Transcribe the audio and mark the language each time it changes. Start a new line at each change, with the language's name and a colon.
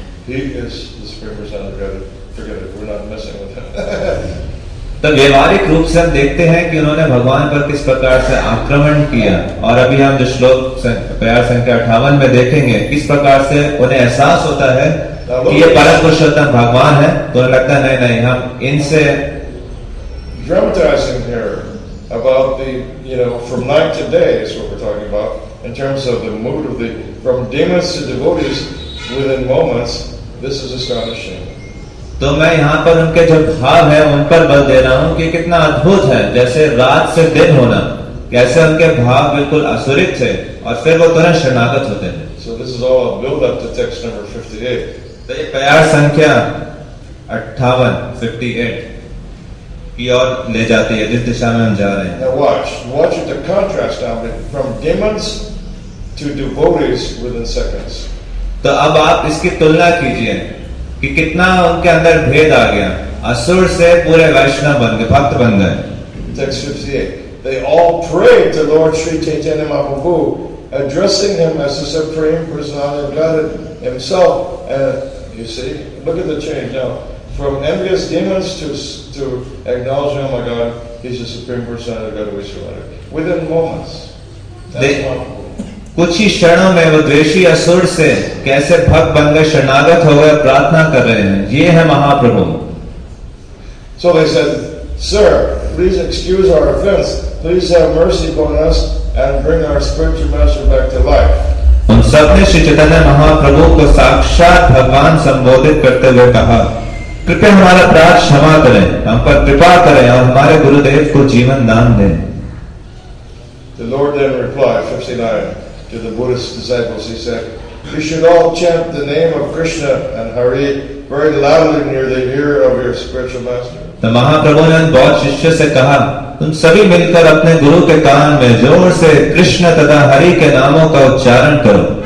Hindi: तब व्यवहारिक रूप से हम देखते हैं कि उन्होंने भगवान पर किस प्रकार से आक्रमण किया, और अभी हम जो श्लोक प्यार संख्या 58 में देखेंगे किस प्रकार से उन्हें एहसास होता है कि ये परम पुरुषोत्तम भगवान है, तो उन्हें लगता है नहीं नहीं हम इनसे
English: dramatizing here about the, you know, from night to day is what we're talking about in terms of the mood of the from demons to devotees. within moments, this is astonishing.
Hindi: तो मैं यहाँ पर उनके जो भाव है उन पर बल दे रहा हूँ कि कितना अद्भुत है, जैसे रात से दिन होना, कैसे उनके भाव बिल्कुल असुरित थे और फिर वो तुरंत शरणागत होते हैं।
English: So this is all build up to text number 58.
Hindi: तो ये प्यार संख्या 58, 58 की ओर ले जाती है जिस दिशा में हम जा रहे हैं।
English: Now watch the contrast now from demons to devotees within seconds.
Hindi: तो अब आप इसकी तुलना कीजिए कि कितना उनके अंदर भेद आ गया, असुर से पूरे वैष्णव बन गए, भक्त बन गए।
English: Text 58. They all prayed to Lord Sri Chaitanya Mahaprabhu, addressing him as the Supreme Personality of Godhead himself. And you see, look at the change now. From envious demons to acknowledging, oh my God, he's the Supreme Personality of Godhead, we surrender. Within moments. That's Mahaprabhu.
Hindi: कुछ ही क्षणों में वो द्वेषी असुर से कैसे भक्त बन गए, शरणागत हो गए, प्रार्थना कर रहे हैं, ये है महाप्रभु।
English: So they said, Sir, please excuse our offense. Please have mercy upon us and bring our spiritual master back to life.
Hindi: उन सब ने श्री चैतन्य महाप्रभु को साक्षात भगवान संबोधित करते हुए कहा, कृपया हमारा अपराध क्षमा करें, हम पर कृपा करें और हमारे गुरुदेव को जीवन दान दें।
English: The Lord then replied, 59, to the Buddhist disciples, he said, You should all chant the name of Krishna and Hari very loudly near the ear of your spiritual master.
Hindi: तो महाप्रभु ने बौद्ध शिष्य से कहा, तुम सभी मिलकर अपने गुरु के कान में जोर से कृष्ण तथा हरि के नामों का उच्चारण करो।